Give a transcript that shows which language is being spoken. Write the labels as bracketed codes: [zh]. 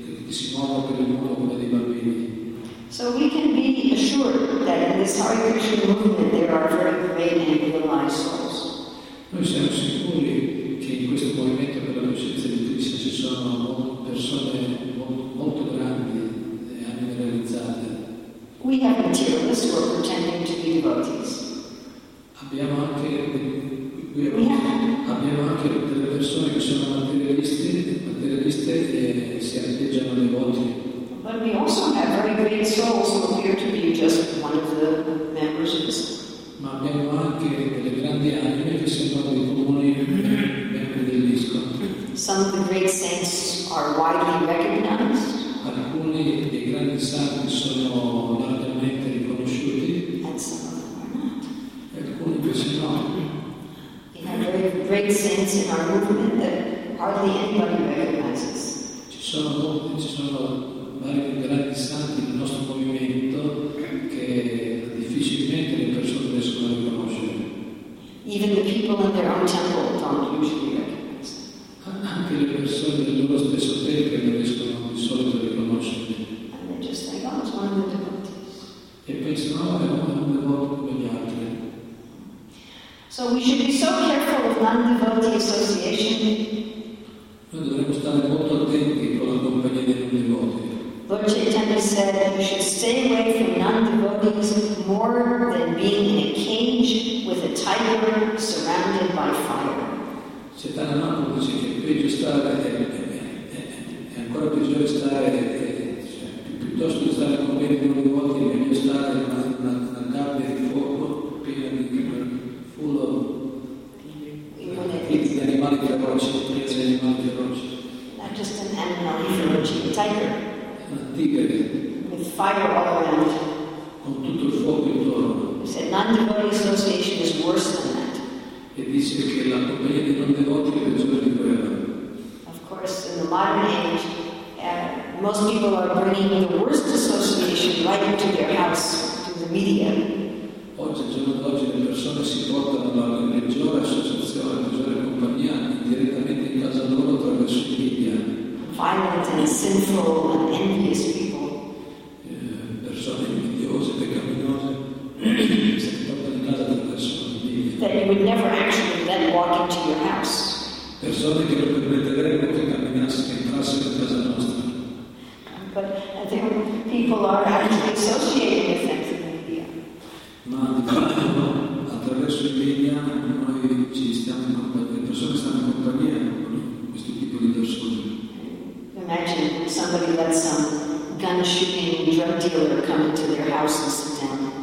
[it] Si muovono per il mondo come dei bambini. [en] So we can be assured Hare Krishna movement, there are very great and realized souls. [it] Noi siamo sicuri che in questo movimento per la coscienza di Krishna ci sono persone molto grandi e anche realizzate. [en] We have materialists who are pretending to be devotees. [it] Abbiamo anche delle persone che sono materialiste e si arrangiano dei voti. [en] But we also have very great souls who appear to be just one of the members of this. [it] Ma abbiamo anche delle grandi anime che sembrano dei comuni membri del disco. [en] Some of the great saints are widely recognized. [it] Alcuni dei grandi santi sono largamente riconosciuti. [en] And [it] alcuni invece no. [en] We have very great saints in our movement that hardly anybody recognizes. [it] Ci sono vari grandi santi nel nostro movimento che difficilmente le persone riescono a riconoscere. [en] Even the people in their own temple don't usually recognize. [it] Anche le persone del loro stesso tempio non riescono di solito a riconoscere. [en] And they just think, oh, it's one of the devotees. [it] E pensano, oh, è un devoto come gli altri. [en] So we should be so careful with non-devotee association. [it] Noi dovremmo stare molto attenti con la compagnia dei non devoti. [en] Lord Chaitanya said that you should stay away from non-devotees more than being in a cage with a tiger surrounded by fire. [it] Chaitanya dice che peggio stare è ancora peggio stare piuttosto che stare con dei non devoti, meglio stare in una gabbia di fuoco piena di fulo di animali feroci, piena di animali feroci. [en] Not just an animal, feroci, a tiger. [it] Tigre. [en] With fire all around. [it] Con tutto il fuoco intorno. [en] He said non-devotee association is worse than that. [it] E dice che la compagnia dei non devoti è peggio di quella. [en] Of course, in the modern age, most people are bringing the worst association right into their house to the media. [it] Oggi, giorno d'oggi, le persone si portano dalla peggiore associazione, la peggiore compagnia, direttamente in casa loro attraverso i media. [en] Violent and sinful and envious people. [it] Persone invidiose, peccaminose. [en] That you would never actually let walk into your house. [it] Persone che non permetterebbero che camminassero in casa nostra. [en] But I think people are actually associated with them through media. [it] Ma di fatto no, attraverso i media noi ci stiamo in compagnia, le persone stanno in compagnia con questo tipo di persone. [en] Imagine somebody lets some gun shooting drug dealer come into their house and sit down.